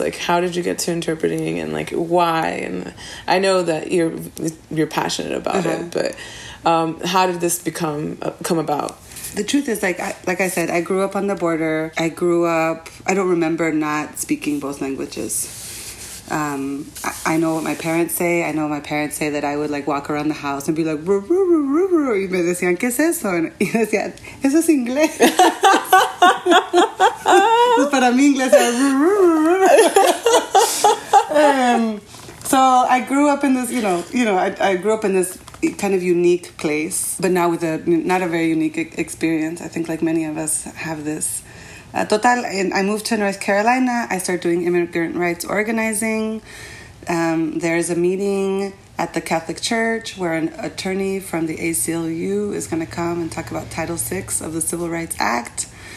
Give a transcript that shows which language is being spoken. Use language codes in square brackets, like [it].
[en] Like, how did you get to interpreting, and like, why? And I know that you're passionate about uh-huh. it, but how did this come about? The truth is, like I said, I grew up on the border. I don't remember not speaking both languages. I know what my parents say. I know my parents say that I would like walk around the house and be like, ru, ru, ru, ru, ru. [es] Y me decían, ¿qué es eso? Y decían, eso es inglés. Pues para mí inglés es ru, ru, ru, ru. [en] So I grew up in this, I grew up in this kind of unique place, but now with not a very unique experience. I think like many of us have this. Total, I moved to North Carolina. I started doing immigrant rights organizing. There's a meeting at the Catholic Church where an attorney from the ACLU is going to come and talk about Title VI of the Civil Rights Act.